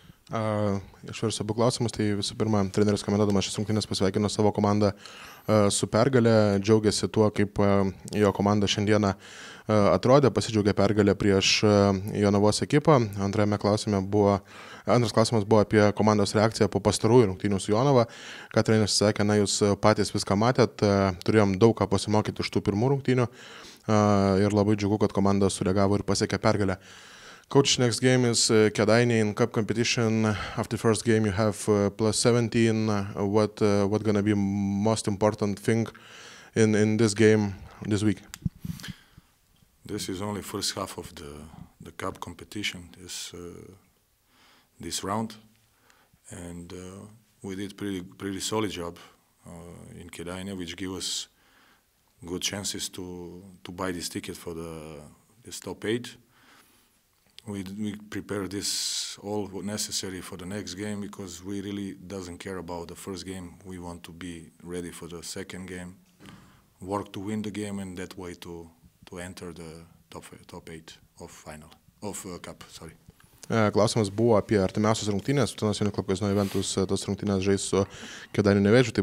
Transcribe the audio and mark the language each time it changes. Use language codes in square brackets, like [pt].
[lt] Aš ir sabu klausimus, tai visų pirma, treneris komentuodamas šis rungtynės pasveikino savo komandą su pergalė, džiaugiasi tuo, kaip jo komanda šiandieną atrodė, pasidžiaugė pergalę prieš Jonavos ekipą. Antras klausimas buvo apie komandos reakciją po pastarųjų rungtynių su Jonava. Ką treneris sakė, na, jūs patys viską matėt, turėjom daug ką pasimokyti iš tų pirmų rungtynių ir labai džiugu, kad komanda sureagavo ir pasiekė pergalę. [en] Coach, next game is Kedaini in cup competition. After first game, you have plus 17. What gonna be most important thing in this game this week? This is only first half of the cup competition. This round, and we did pretty solid job in Kedaini, which gave us good chances to buy this ticket for this top 8. We prepare this all necessary for the next game, because we really doesn't care about the first game. We want to be ready for the second game, work to win the game, and that way to enter the top 8 of cup. Sorry. [lt] Klausimas buvo apie artimiausias rungtynės. Utenos Jaunių klubas nuo Juventus tas rungtynės žais su Kėdainių Nevėžiu.